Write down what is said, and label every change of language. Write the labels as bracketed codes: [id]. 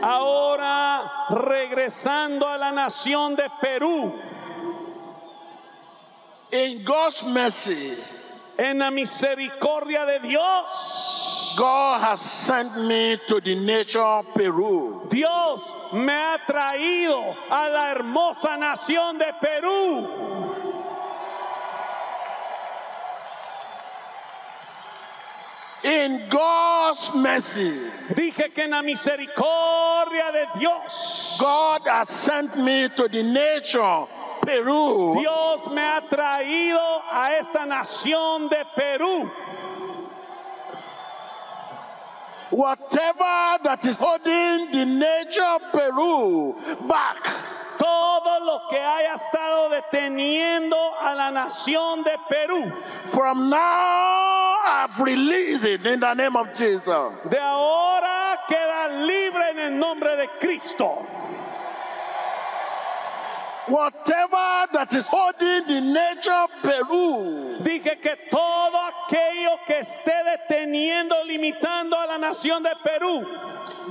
[es] Ahora, regresando a la nación de Perú. [en] In God's mercy. [es] En la misericordia de Dios. [en] God has sent me to the nation of Peru. [es] Dios me ha traído a la hermosa nación de Perú. [en] In God's mercy. [es] Dije que en la misericordia de Dios. [en] God has sent me to the nation Peru. [es] Dios me ha traído a esta nación de Perú. [en] Whatever that is holding the nature of Peru back. [es] Todo lo que haya estado deteniendo a la nación de Perú. [en] From now I've released it in the name of Jesus. [es] De ahora queda libre en el nombre de Cristo. [en] Whatever that is holding the nature of Peru. [es] Dije que todo aquello que esté deteniendo, limitando a la nación de Perú.